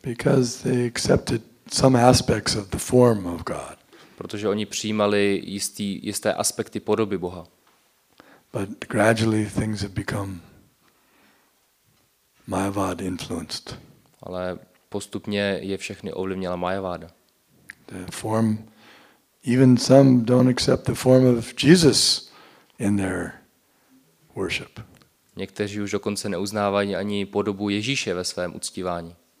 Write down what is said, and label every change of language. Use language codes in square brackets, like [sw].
[en] Because they accepted some aspects of the form of God. [cs] Protože oni přijímali jisté aspekty podoby Boha. [en] But gradually things have become Mayavad influenced. [cs] Ale postupně je všechny ovlivnila Mayaváda. [en] The form, even some don't accept the form of Jesus in their worship. [cs] Někteří už dokonce neuznávají ani podobu Ježíše ve svém uctívání.